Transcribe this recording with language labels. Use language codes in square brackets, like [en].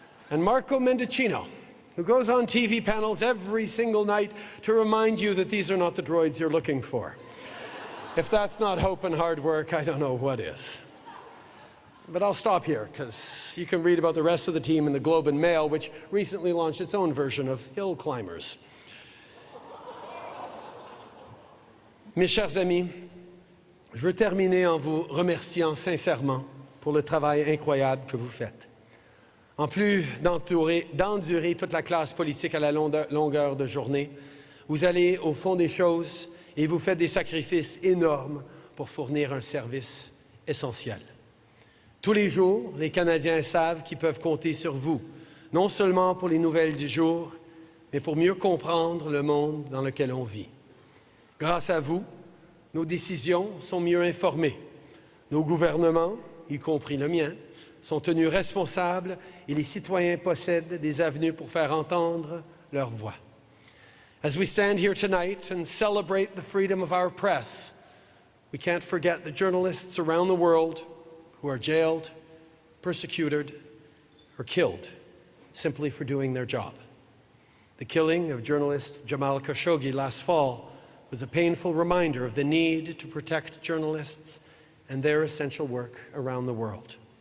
[en] And Marco Mendicino, who goes on TV panels every single night to remind you that these are not the droids you're looking for. If that's not hope and hard work, I don't know what is. But I'll stop here, because you can read about the rest of the team in the Globe and Mail, which recently launched its own version of Hill Climbers. [fr] Mes chers amis, je veux terminer en vous remerciant sincèrement pour le travail incroyable que vous faites. En plus d'endurer toute la classe politique à la longueur de journée, vous allez au fond des choses et vous faites des sacrifices énormes pour fournir un service essentiel. Tous les jours, les Canadiens savent qu'ils peuvent compter sur vous, non seulement pour les nouvelles du jour, mais pour mieux comprendre le monde dans lequel on vit. Grâce à vous, nos décisions sont mieux informées. Nos gouvernements, y compris le mien, sont tenus responsables et les citoyens possèdent des avenues pour faire entendre leur voix. [en] As we stand here tonight and celebrate the freedom of our press, we can't forget the journalists around the world who are jailed, persecuted, or killed simply for doing their job. The killing of journalist Jamal Khashoggi last fall was a painful reminder of the need to protect journalists and their essential work around the world.